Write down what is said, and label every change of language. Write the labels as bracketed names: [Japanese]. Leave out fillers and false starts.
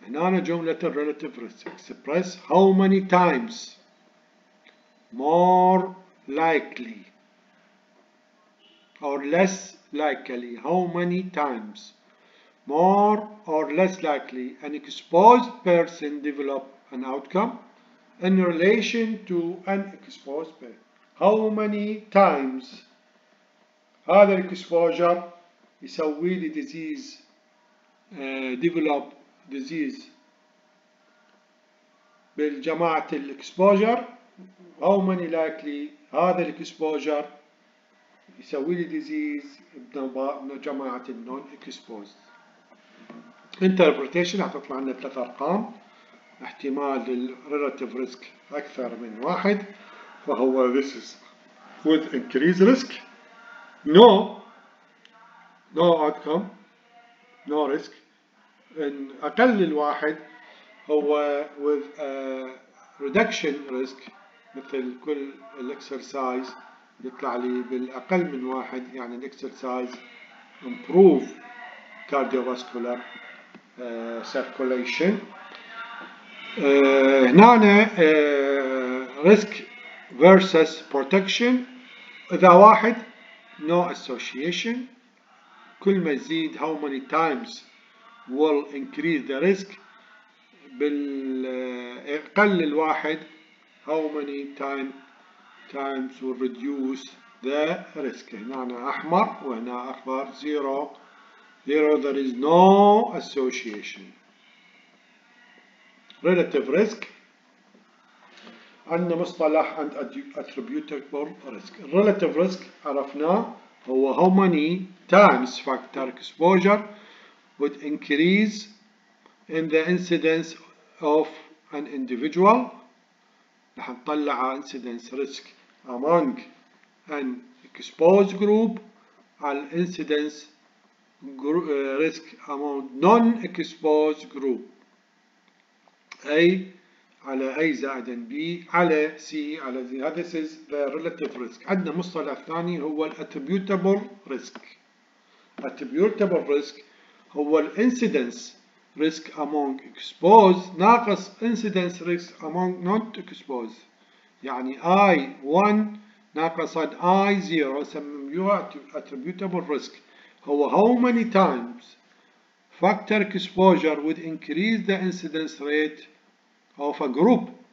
[Arabic] هنا جملة [English] relative risk express how many times more likely or less likely, how many times more or less likely an exposed person develop an outcome in relation to an exposed person. How many times [Arabic] هذا الاكسبوجر يسوي لي disease [English] develop disease [Arabic] بالجماعة الاكسبوجر. [English] How many likely [Arabic] هذا الاكسبوجر يسوي لي disease بجماعة النون اكسبوزد. Interpretation هتطلع لنا ثلاث أرقام. احتمال الـ [English] relative risk [Arabic] أكثر من واحد فهو [English] this is with increased risk. No outcome, no risk. [Arabic] إن أقل الواحد هو [English] with reduction risk [Arabic] مثل كل الـ exercise يطلع لي بالأقل من واحد يعني الـ [English] exercise improve cardiovascular circulation. هنا risk versus protection إذا واحد no association [Arabic] كل ما يزيد [English] how many times will increase the risk [Arabic] بالقل الواحد [English] how many times will reduce the risk. [Arabic] هنا أحمر وهنا أخضر zero. [English] There is no association. Relative risk. [Arabic] عندنا مصطلح [English] and attributable risk. Relative risk عرفنا هو how many times factor exposure would increase in the incidence of an individual. [Arabic] رح نطلع [English] incidence risk among an exposed group على incidence risk among non-exposed group. [Arabic] A على A زائد B على C على Z. [English] This is the relative risk. [Arabic] عندنا مصطلح ثاني هو attributable risk. [English] Attributable risk هو incidence risk among exposed [Arabic] ناقص [English] incidence risk among non-exposed. يعني I1 [Arabic] ناقص صاد [English] I zero سميوها attributable risk هو how many times factor exposure would increase the incidence rate of a group.